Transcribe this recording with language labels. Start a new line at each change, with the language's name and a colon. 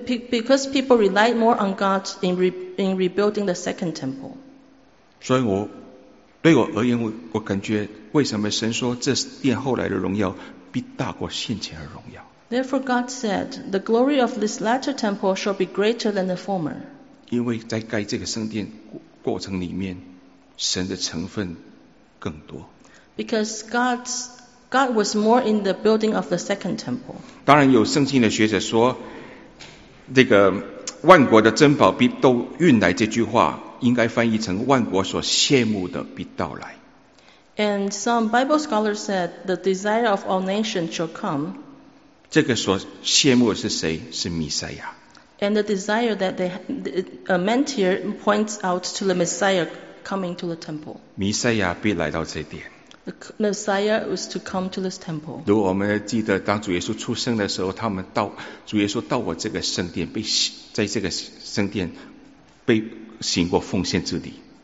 English: Because people rely more on God in rebuilding the second temple.
Chinese: 所以我对我而言，我感觉为什么神说这殿后来的荣耀必大过先前的荣耀。
English: Therefore God said, the glory of this latter temple shall be greater than the former.
Chinese: 因为在盖这个圣殿过程里面，神的成分更多。
English: Because God was more in the building of the second temple.
Chinese: 当然有圣经的学者说，这个万国的珍宝必都运来，这句话应该翻译成万国所羡慕的必到来。
English: And some Bible scholars said the desire of all nations shall come.
Chinese: 这个所羡慕的是谁？是弥赛亚。
English: And the desire that they meant here points out to the Messiah coming to the temple.
Chinese: 弥赛亚必来到这殿。
English: The Messiah was to come to this temple.
Chinese: 如果我们记得，当主耶稣出生的时候，他们到主耶稣到我这个圣殿，被在这个圣殿被行过奉献之礼。